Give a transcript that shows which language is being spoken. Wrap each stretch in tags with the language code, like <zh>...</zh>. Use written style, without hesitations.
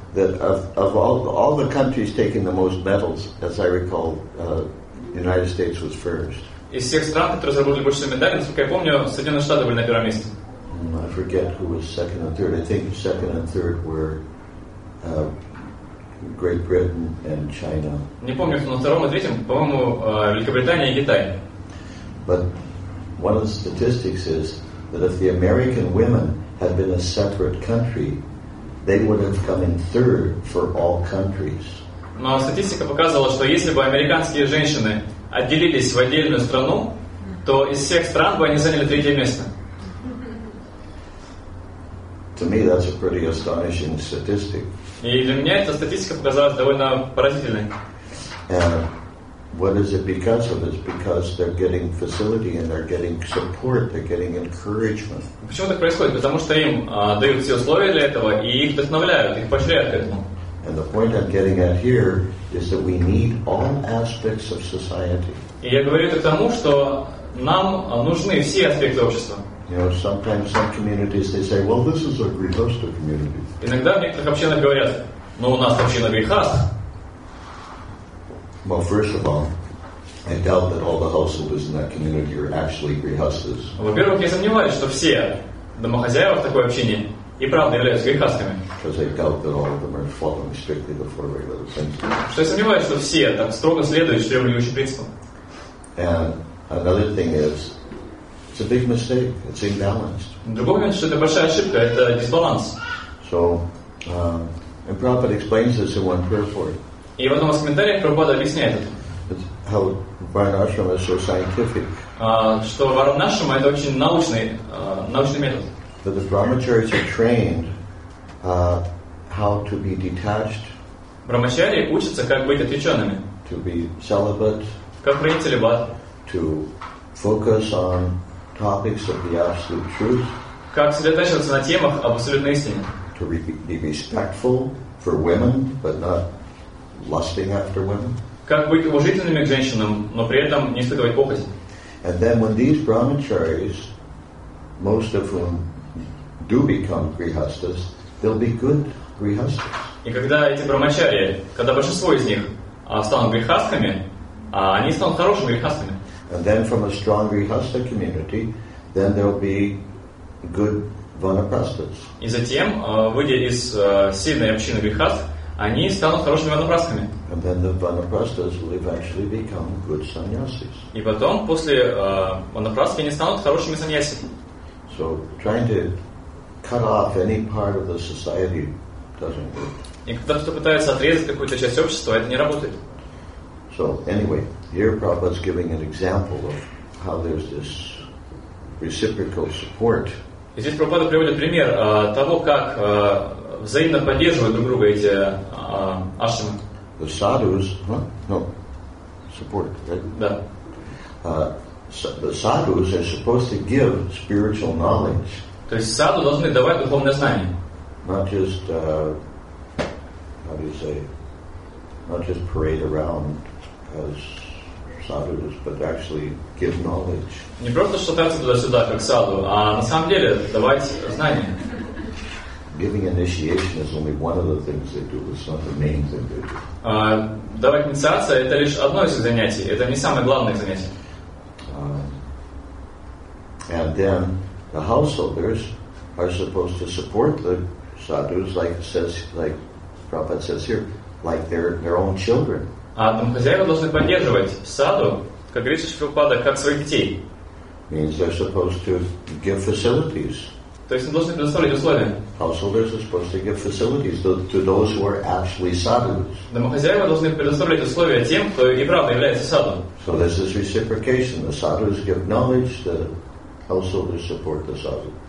<en>Yeah, that of all the countries taking the most medals, as I recall, the United States was first.</en> <ru>Из всех стран, которые заработали больше всего медалей, насколько я помню, Соединенные Штаты были на первом месте.</ru> <en>I forget who was second and third. I think second and third were Great Britain and China.</en> <ru>Не помню, кто на втором и третьем. По-моему, Великобритания и Китай.</ru> <en>But one of the statistics is that if the American women had been a separate country, they would have come in third for all countries.</en> <ru>Но статистика показывала, что если бы американские женщины отделились в отдельную страну, то из всех стран бы они заняли третье место.</ru> <en>To me, that's a pretty astonishing statistic.</en> <ru>И для меня эта статистика показалась довольно поразительной.</ru> <en>And what is it because of? It's because they're getting facility and they're getting support, they're getting encouragement.</en> <ru>Почему так происходит? Потому что им дают все условия для этого и их вдохновляют, их поощряют к этому.</ru> <en>And the point I'm getting at here is that we need all aspects of society.</en> <ru>И я говорю это к тому, что нам нужны все аспекты общества.</ru> <en>You know, sometimes some communities they say, "Well, this is a grihastha community."</en> <ru>Иногда в некоторых общинах говорят, "Но у нас община грихаст."</ru> <en>Well, first of all, I doubt that all the householders in that community are actually grihasthas.</en> <ru>Во-первых, я сомневаюсь, что все домохозяева в такой общине и правда являются грихастами.</ru> <en>Because I doubt that all of them are following strictly the four regular principles.</en> <ru>Что я сомневаюсь, что все там строго следуют требующим принципам.</ru> <en>And another thing is. It's a big mistake. It's imbalanced.</en> <ru>Другой момент, что это большая ошибка, это дисбаланс.</ru> <en>So, and Prabhupada explains this in one prayer for it.</en> <ru>И в одном из комментариев Прабхупада объясняет это.</ru> <en>It's how Varnashrama is so scientific.</en> <ru>Что Варнашрама это очень научный метод.</ru> <en>That the Brahmacharis are trained how to be detached.</en> <ru>Брахмачари учатся как быть отреченными.</ru> <en>To be celibate.</en> <ru>Как пройти целибат.</ru> <en>To focus on topics of the absolute truth.</en> <ru>Как сосредоточиться на темах об абсолютной истине.</ru> <en>To be respectful for women, but not lusting after women.</en> <ru>Как быть уважительными к женщинам, но при этом не испытывать похоти.</ru> <en>And then when these brahmacharis, most of whom do become grihasthas, they'll be good grihasthas.</en> <ru>И когда эти брахмачари, когда большинство из них станут грихастхами, они станут хорошими грихастхами.</ru> <en>And then from a strong grihastha community, then there'll be good vanaprasthas.</en> <ru>И затем, выйдя из сильной общины грихаст, они станут хорошими ванапрастхами.</ru> <en>And then the vanaprasthas will eventually become good sannyasis.</en> <ru>И потом, после ванапрастхи, они станут хорошими саньяси.</ru> <en>So trying to cut off any part of the society doesn't work.</en> <ru>И когда кто-то пытается отрезать какую-то часть общества, это не работает.</ru> <en>So anyway, here Prabhupada is giving an example of how there's this reciprocal support.</en> <ru>И здесь Прабхупада приводит пример того, как взаимно поддерживают друг друга эти ашрамы.</ru> <en>The sadhus, huh? No, support, right?</en> <ru>Да.</ru> <en>The sadhus are supposed to give spiritual knowledge.</en> <ru>То есть саду должны давать духовное знание.</ru> <en>Not just, how do you say, not just parade around as sadhus, but actually give knowledge.</en> <ru>Не просто шататься туда-сюда как саду, а на самом деле давать знания.</ru> <en>Giving initiation is only one of the things they do. It's not the main thing they do.</en> <ru>Давать инициацию — это лишь одно из занятий. Это не самое главное занятие.</ru> <en>And then the householders are supposed to support the sadhus, like says, like Prabhupada says here, like their own children.</en> <ru>А домохозяева должны поддерживать саду, как говорится, Шрилпада, как своих детей.</ru> <en>Means they're supposed to give facilities.</en> <ru>То есть они должны предоставить условия.</ru> <en>Householders are supposed to give facilities to those who are actually sadhus.</en> <ru>Домохозяева должны предоставлять условия тем, кто и правда является саду.</ru> <en>So there's this reciprocation. The sadhus give knowledge, the householders support the sadhu.</en>